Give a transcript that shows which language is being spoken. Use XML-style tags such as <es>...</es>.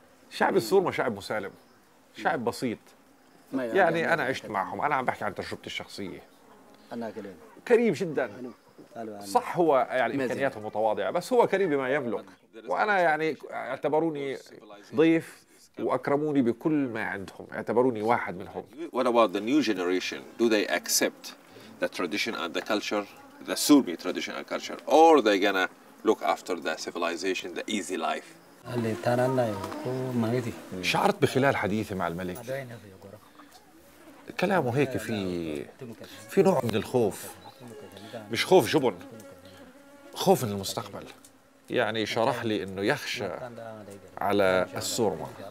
<ar>شعب السورما شعب مسالم، شعب بسيط. يعني أنا عشت معهم، أنا عم بحكي عن تجربتي الشخصية. أنا كريم جدا، صح هو يعني إمكانياتهم متواضعة بس هو كريم بما يملك. وأنا يعني اعتبروني ضيف وأكرموني بكل ما عندهم، اعتبروني واحد منهم.</ar> <en>What about the new generation? Do they accept the tradition and the culture, the Surmi tradition and culture, or they gonna look after the civilization, the easy life?</en> <ar>شعرت بخلال حديثي مع الملك كلامه هيك في نوع من الخوف، مش خوف جبن، خوف من المستقبل. يعني شرح لي انه يخشى على السورمة.</ar>